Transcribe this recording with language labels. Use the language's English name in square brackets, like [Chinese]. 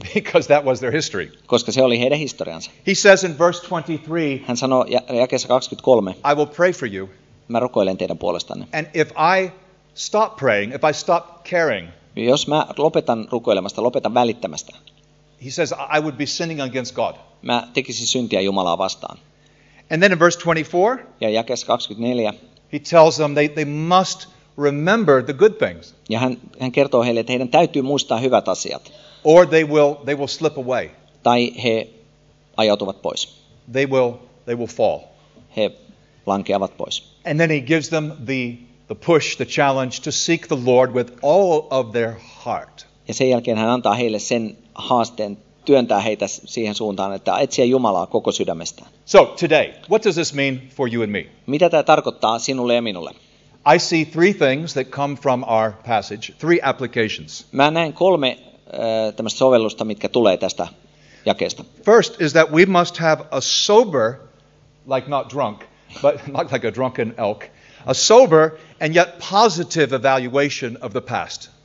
[English] Because that was their history. [Finnish] Koska se oli heidän historiansa. [English] He says in verse 23. [Finnish] Hän sanoo jakeessa 23. [English] I will pray for you. [Finnish] Mä rukoilen teidän puolestanne. [English] And if I stop praying, if I stop caring. [Finnish] Jos mä lopetan rukoilemasta, lopetan välittämästä. [English] He says, I would be sinning against God. [Finnish] Mä tekisin syntiä Jumalaa vastaan. [English] And then in verse 24, [Finnish] ja jakeessa 24, [English] he tells them they must remember the good things. [Finnish] Ja hän kertoo heille, että heidän täytyy muistaa hyvät asiat. [English] Or they will slip away. [Finnish] Tai he ajautuvat pois. [English] They will fall. [Finnish] He lankeavat pois. [English] And then he gives them the push, the challenge to seek the Lord with all of their heart. [Finnish] Ja sen jälkeen hän antaa heille sen haasteen työntää heitä siihen suuntaan, että etsiä Jumalaa koko sydämestään. [English] So today, what does this mean for you and me? [Finnish] Mitä tämä tarkoittaa sinulle ja minulle? [English] I see three things that come from our passage, three applications. [Finnish] Mä näen kolme tämmöistä sovellusta, mitkä tulee tästä jakeesta. [English] First is that we must have a sober, like not drunk, but not like a drunken elk, a sober and yet positive evaluation of the past.